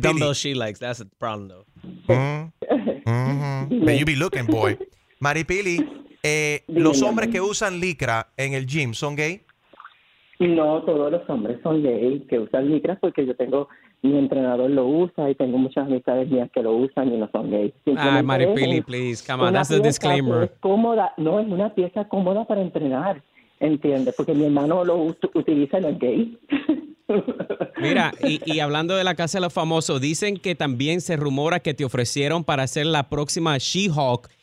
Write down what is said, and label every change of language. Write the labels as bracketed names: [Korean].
[English] The dumbbell she likes, that's the problem, though. But you be looking, boy. [Spanish] María Pili, ¿los hombres que usan licra en el gym son gay? No, todos los hombres son gay que usan licra porque yo tengo... Mi entrenador lo usa y tengo muchas amistades mías que lo usan y no son gays. [English] Ah, Maripili, please, come on, that's the disclaimer. [Spanish] Es cómoda, no, es una pieza cómoda para entrenar, ¿entiendes? Porque mi hermano lo utiliza y no es gay. Mira, y hablando de la Casa de los Famosos, dicen que también se rumora que te ofrecieron para hacer la próxima She-Hulk.